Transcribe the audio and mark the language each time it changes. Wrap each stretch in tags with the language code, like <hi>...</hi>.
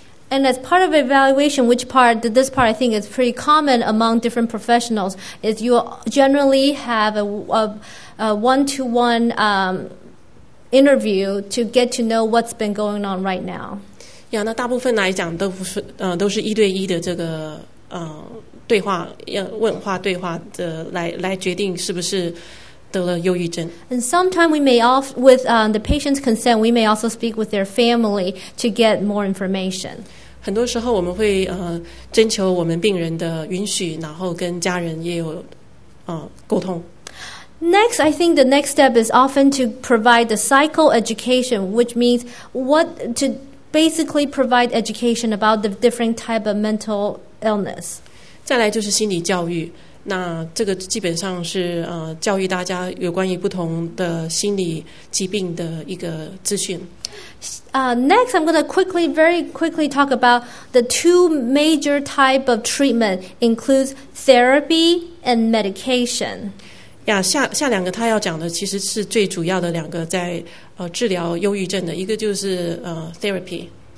<en>And as part of evaluation, which part, this part I think is pretty common among different professionals, is you generally have a one-to-one interview to get to know what's been going on right now.</en> <zh>Yeah, 那大部分来讲都是一对一的这个对话，问话对话的来决定是不是得了忧郁症。</zh> <en>And sometimes we may also, with the patient's consent, we may also speak with their family to get more information.</en> <zh>很多时候我们会征求我们病人的允许，然后跟家人也有沟通。</zh> <en>Next, I think the next step is often to provide the psychoeducation, which means what to basically provide education about the different type of mental illness.</en> <zh>再来就是心理教育，那这个基本上是教育大家有关于不同的心理疾病的一个资讯。</zh> <en>Next, I'm going to very quickly talk about the two major type of treatment includes therapy and medication.</en> <zh>Yeah, 下两个他要讲的其实是最主要的两个在治疗忧郁症的，一个就是therapy.</zh>